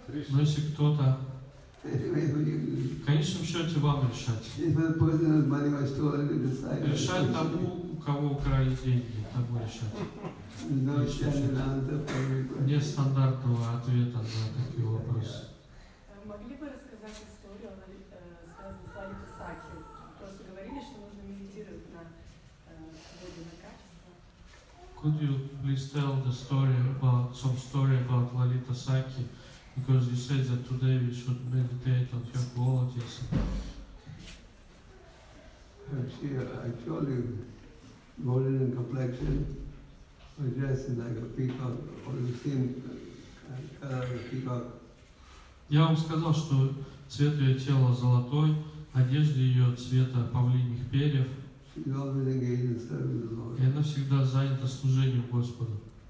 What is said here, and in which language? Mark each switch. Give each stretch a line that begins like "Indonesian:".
Russian: Но если кто-то, в конечном счете вам решать тому, у кого украли деньги, тому решать. Нет стандартного ответа на такие вопросы. Могли бы рассказать историю, она связана с вами Саки? Просто говорили, что нужно медитировать на воде, на
English: Could you please tell the story about some story about Lalita Sakhi? Because you said that today we should meditate on her qualities. See, I told you, golden complexion, dressed like a peacock, or the same color of the peacock.
Russian: Я вам сказал, что цвет ее тела золотой, одежда ее цвета павлиньих перьев. И она всегда занята служением Господу.